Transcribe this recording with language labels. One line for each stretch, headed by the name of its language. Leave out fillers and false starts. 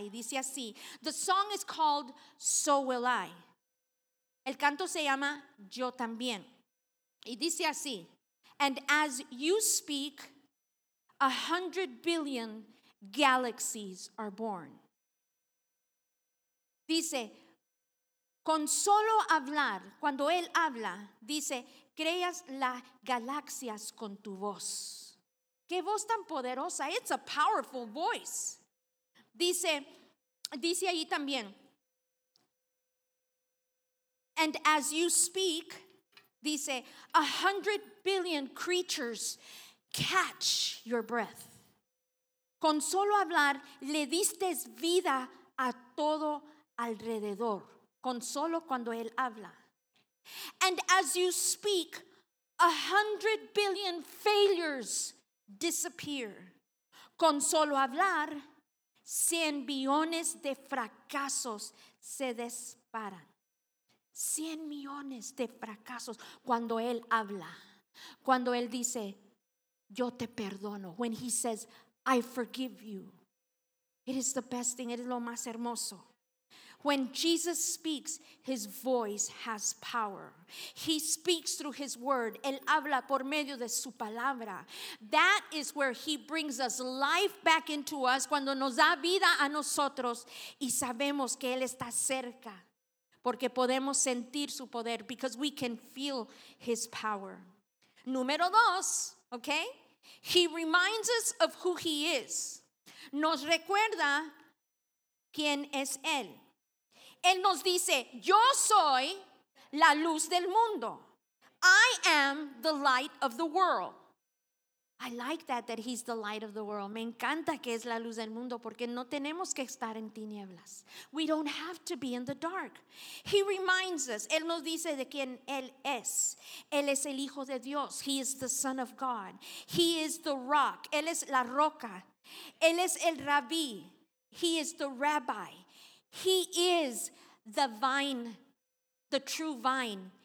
Spanish: Y dice así,
English: the song is called So Will I.
Spanish: El canto se llama Yo También. Y dice así,
English: and as you speak, 100 billion galaxies are born.
Spanish: Dice, con solo hablar, cuando él habla, dice, creas las galaxias con tu voz. ¿Qué voz tan poderosa?
English: It's a powerful voice.
Spanish: Dice ahí también.
English: And as you speak, dice, 100 billion creatures catch your breath.
Spanish: Con solo hablar, le diste vida a todo alrededor. Con solo cuando él habla.
English: And as you speak, 100 billion failures disappear.
Spanish: Con solo hablar, 100 billones de fracasos se disparan. 100 millones de fracasos cuando Él habla. Cuando Él dice, yo te perdono.
English: When He says, I forgive you. It is the best thing. It is
Spanish: lo más hermoso.
English: When Jesus speaks, His voice has power. He speaks through His word.
Spanish: Él habla por medio de su palabra.
English: That is where He brings us life back into us.
Spanish: Cuando nos da vida a nosotros y sabemos que Él está cerca. Porque podemos sentir su poder.
English: Because we can feel His power.
Spanish: Número dos,
English: okay? He reminds us of who He is.
Spanish: Nos recuerda quién es Él. Él nos dice, yo soy la luz del mundo.
English: I am the light of the world. I like that He's the light of the world.
Spanish: Me encanta que es la luz del mundo porque no tenemos que estar en tinieblas.
English: We don't have to be in the dark. He reminds us.
Spanish: Él nos dice de quién Él es. Él es el Hijo de Dios.
English: He is the Son of God. He is the rock.
Spanish: Él es la roca. Él es el rabí.
English: He is the rabbi. He is the vine, the true vine.